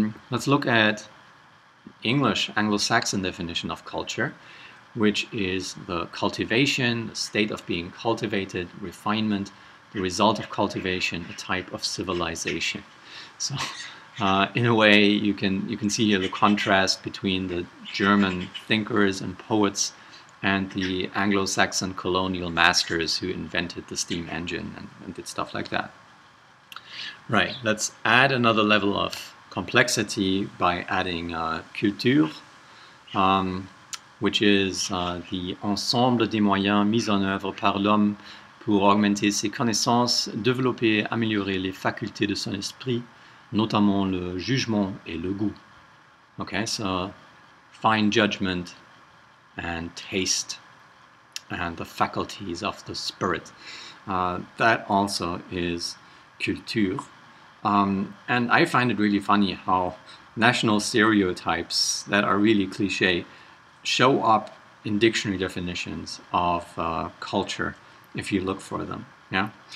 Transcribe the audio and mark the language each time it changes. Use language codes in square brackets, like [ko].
[en] Let's look at English, Anglo-Saxon definition of culture, which is the cultivation, the state of being cultivated, refinement, the result of cultivation, a type of civilization. So, in a way, you can see here the contrast between the German thinkers and poets and the Anglo-Saxon colonial masters who invented the steam engine and did stuff like that. Right, let's add another level of complexity by adding Kultur, which is the [fr] ensemble des moyens mis en œuvre par l'homme pour augmenter ses connaissances, développer, améliorer les facultés de son esprit, notamment le jugement et le goût. [en] Okay, so fine judgment and taste and the faculties of the spirit. That also is Kultur. And I find it really funny how national stereotypes that are really cliché show up in dictionary definitions of culture if you look for them. Yeah.